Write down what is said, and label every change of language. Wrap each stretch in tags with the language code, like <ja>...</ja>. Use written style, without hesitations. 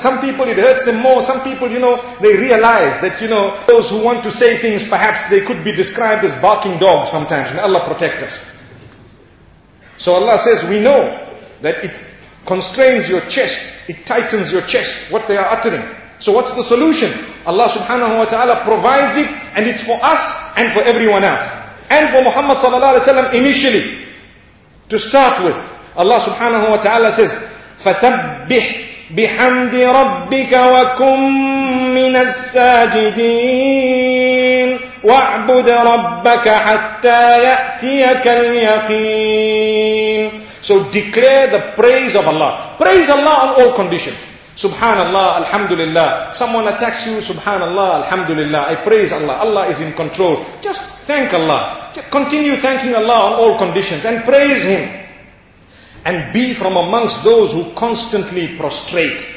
<en>Some people it hurts them more, some people, you know, they realize that, you know, those who want to say things, perhaps they could be described as barking dogs sometimes. May Allah protect us. So Allah says, we know that it constrains your chest, it tightens your chest, what they are uttering. So what's the solution? Allah subhanahu wa ta'ala provides it, and it's for us and for everyone else. And for Muhammad sallallahu alayhi wa sallam initially. To start with, Allah subhanahu wa ta'ala says,</en> <ar>فَسَبِّحْ بِحَمْدِ رَبِّكَ وَكُمْ مِنَ السَّاجِدِينَ وَاعْبُدْ رَبَّكَ حَتَّى يَأْتِيَكَ الْيَقِينَ.</ar> <en>So declare the praise of Allah. Praise Allah on all conditions. Subhanallah, alhamdulillah. Someone attacks you, subhanallah, alhamdulillah. I praise Allah. Allah is in control. Just thank Allah. Just continue thanking Allah on all conditions and praise Him. And be from amongst those who constantly prostrate.</en>